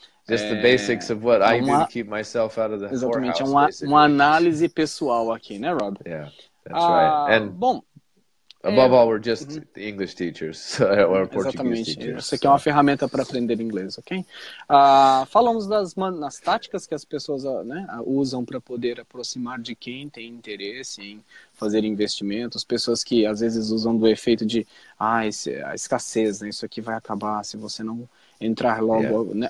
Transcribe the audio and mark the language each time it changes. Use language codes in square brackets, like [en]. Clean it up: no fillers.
[en] Just the basics of what I do to keep myself out of the whorehouse. [pt] Exatamente, é uma análise pessoal aqui, né, Rob? [en] Yeah, that's right. And... [pt] Bom... [en] Above all, we're just English teachers, or Portuguese [pt] exatamente. [en] Teachers. [pt] Isso aqui é uma ferramenta para aprender inglês, ok? Falamos das táticas que as pessoas usam para poder aproximar de quem tem interesse em fazer investimentos. Pessoas que, às vezes, usam do efeito de a escassez, né? Isso aqui vai acabar se você não entrar logo. [en] Yeah. [pt] Né?